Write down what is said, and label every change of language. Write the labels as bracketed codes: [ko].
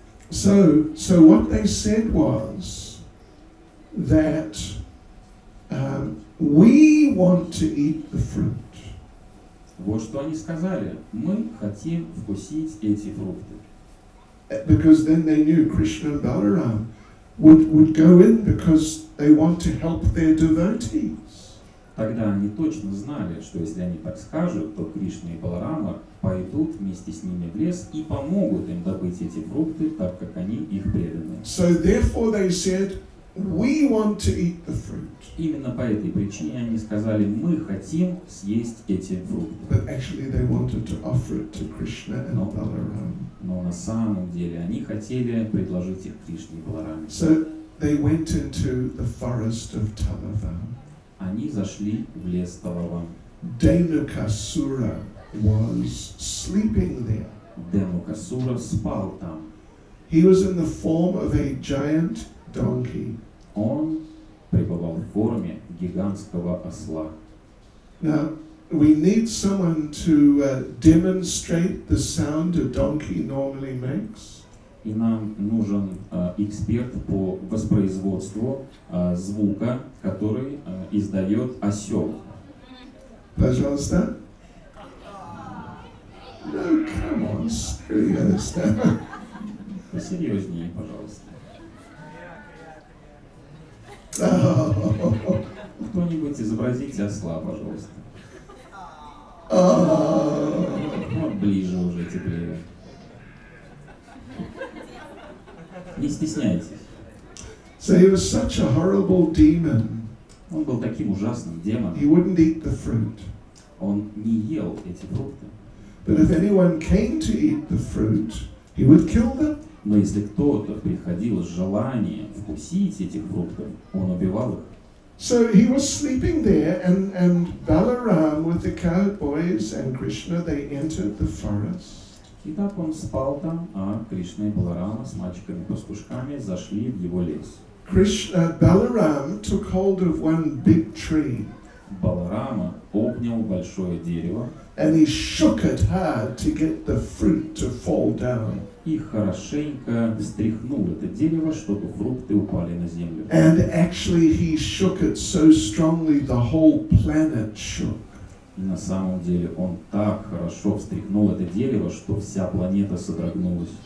[en] So what they said was that we want to eat the fruit. [ru] Вот что они сказали. Мы хотим вкусить эти фрукты. [en] Because then they knew Krishna and Balaram would go in because they want to help their devotees. [ru] Тогда они точно знали, что если они так скажут, то Кришна и Баларама пойдут вместе с ними в лес и помогут им добыть эти фрукты, так как они их преданы. [en] So therefore they said, we want to eat the fruit. [ru] Именно по этой причине они сказали, мы хотим съесть эти фрукты. [en] But actually they wanted to offer it to Krishna and Balaram. [ru] Но на самом деле они хотели предложить их Кришне и Балараме. [en] So they went into the forest of Talavan. [ru] Они зашли в лес Талаван. [en] Дейнукасура was sleeping there. [ru] Дейнукасура спал там. [en] He was in the form of a giant donkey. [ru] Он пребывал в форме гигантского осла. [en] Now, we need someone to demonstrate the sound a donkey normally makes. [ru] И нам нужен эксперт по воспроизводству звука, который издает осел. Пожалуйста. [en] No, come on, seriously. [ru] Посерьезнее, пожалуйста. Oh. Кто-нибудь изобразите осла, пожалуйста. Oh. Вот ближе уже теперь. Не стесняйтесь. [en] So he was such a horrible demon. [ru] Он был таким ужасным демоном. [en] He wouldn't eat the fruit. Он не ел эти фрукты. But if anyone came to eat the fruit, he would kill them. [ru] Но если кто-то приходил с желанием вкусить этих фруктов, он убивал их. [en] So he was sleeping there, and Balaram with the cowboys and Krishna, they entered the forest. [ru] И так он спал там, а Кришна и Баларама с мальчиками-пастушками зашли в его лес. [en] Krishna, Balaram took hold of one big tree. [ru] Баларама обнял большое дерево. [en] And he shook it hard to get the fruit to fall down. [ru] И хорошенько встряхнул это дерево, чтобы фрукты упали на землю. [en] And actually he shook it so strongly the whole planet shook. [ru] На самом деле он так хорошо встряхнул это дерево, что вся планета содрогнулась.